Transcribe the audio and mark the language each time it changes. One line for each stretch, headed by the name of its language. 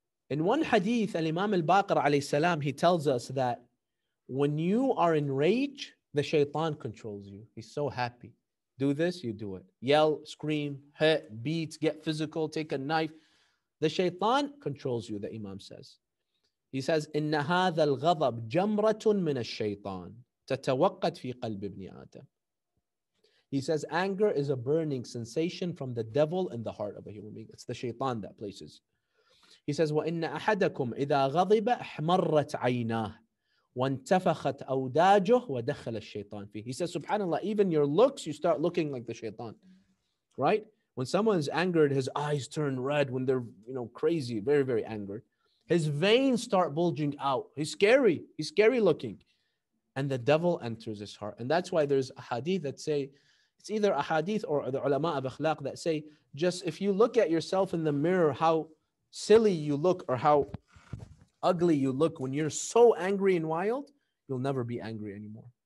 English: In one hadith, Al-Imam Al-Baqir alayhi salam, he tells us that when you are in rage, the shaitan controls you. He's so happy. Do this, you do it. Yell, scream, hit, beat, get physical, take a knife. The shaitan controls you, the Imam says. He says,
Arabic: إِنَّ هَذَا الْغَضَبْ جَمْرَةٌ مِنَ الشَّيْطَانِ تَتَوَقَّتْ فِي قَلْبِ ابْنِ آدَمْ.
English: He says, anger is a burning sensation from the devil in the heart of a human being. It's the shaitan that places. He says,
Arabic: وَإِنَّ أَحَدَكُمْ إِذَا غَضِبَ أَحْمَرَّتْ عَيْنَاهِ وَانْتَفَخَتْ أَوْدَاجُهُ وَدَخَلَ الشَّيْطَانِ فِيهِ.
English: He says, subhanAllah, even your looks, you start looking like the shaitan. Right? When someone's angered, his eyes turn red, when they're, you know, crazy, very, very angered. His veins start bulging out. He's scary. He's scary looking. And the devil enters his heart. And that's why there's a hadith that say, it's either a hadith or the ulama of akhlaq that say, just if you look at yourself in the mirror, how silly you look or how ugly you look when you're so angry and wild, you'll never be angry anymore.